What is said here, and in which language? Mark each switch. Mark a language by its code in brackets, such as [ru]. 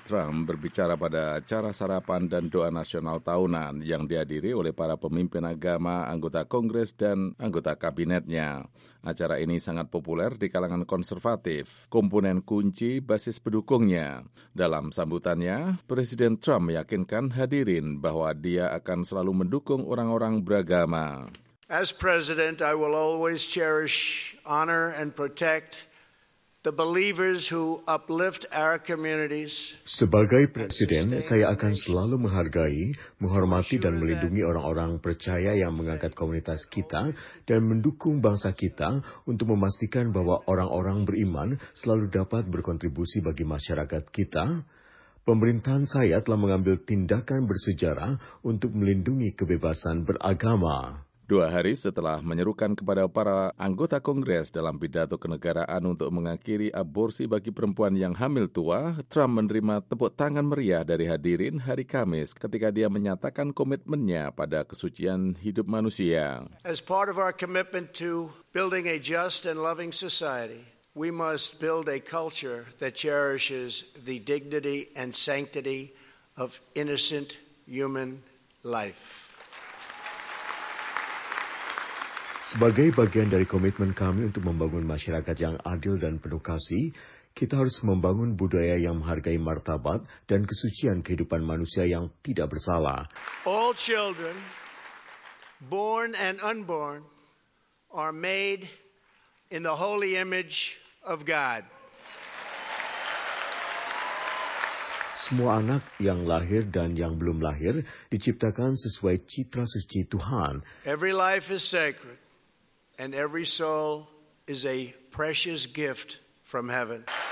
[id] Trump berbicara pada acara sarapan dan doa nasional tahunan yang dihadiri oleh para pemimpin agama, anggota Kongres, dan anggota kabinetnya. Acara ini sangat populer di kalangan konservatif, komponen kunci basis pendukungnya. Dalam sambutannya, Presiden Trump meyakinkan hadirin bahwa dia akan selalu mendukung orang-orang beragama. [en] As president, I will always cherish, honor, and protect the believers who uplift our communities. [id] Sebagai presiden, saya akan selalu menghargai, menghormati, dan melindungi orang-orang percaya yang mengangkat komunitas kita dan mendukung bangsa kita untuk memastikan bahwa orang-orang beriman selalu dapat berkontribusi bagi masyarakat kita. Pemerintahan saya telah mengambil tindakan bersejarah untuk melindungi kebebasan beragama. Dua hari setelah menyerukan kepada para anggota Kongres dalam pidato kenegaraan untuk mengakhiri aborsi bagi perempuan yang hamil tua, Trump menerima tepuk tangan meriah dari hadirin hari Kamis ketika dia menyatakan komitmennya pada kesucian hidup manusia. [en] As part of our commitment to building a just and loving society, we must build a culture that cherishes the dignity and sanctity of innocent human life. [id] Sebagai bagian dari komitmen kami untuk membangun masyarakat yang adil dan penuh kasih, kita harus membangun budaya yang menghargai martabat dan kesucian kehidupan manusia yang tidak bersalah. [en] All children, born and unborn, are made in the holy image of God. [id] Semua anak yang lahir dan yang belum lahir diciptakan sesuai citra suci Tuhan. [en] Every life is sacred. And every soul is a precious gift from heaven.